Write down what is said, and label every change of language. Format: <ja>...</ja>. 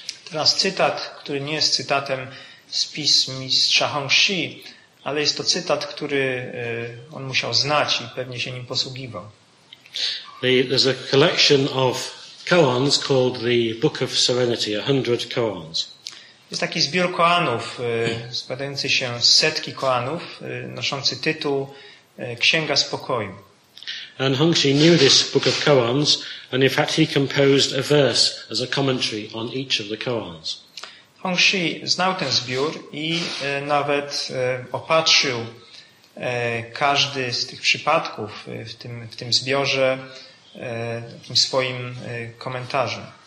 <pl>Teraz cytat, który nie jest cytatem z pism mistrza Hongxi, ale jest to cytat, który on musiał znać i pewnie się nim posługiwał.</pl> <en>There's a collection of koans called the Book of Serenity, 100 koans.</en> <pl>Jest taki zbiór koanów, składający się z setki koanów, noszący tytuł Księga Spokoju.</pl> <en>And Hongxi knew this book of koans, and in fact he composed a verse as a commentary on each of the koans.</en> <pl>Hongxi znał ten zbiór i nawet opatrzył każdy z tych przypadków w tym zbiorze takim swoim komentarzem.</pl>